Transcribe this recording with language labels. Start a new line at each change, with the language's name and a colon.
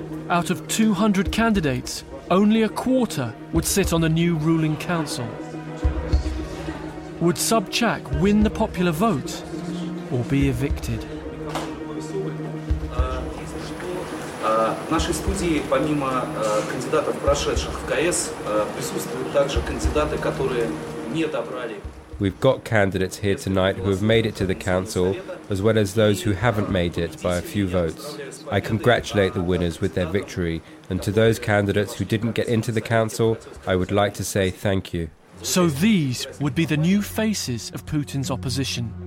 English: Out of 200 candidates, only a quarter would sit on the new ruling council. Would Subchak win the popular vote or be evicted?
Russian: В нашей студии, помимо кандидатов, прошедших в КС, присутствуют также кандидаты, которые не добрали.
English: We've got candidates here tonight who have made it to the council, as well as those who haven't made it by a few votes. I congratulate the winners with their victory, and to those candidates who didn't get into the council, I would like to say thank you. So these would be the new faces of Putin's opposition.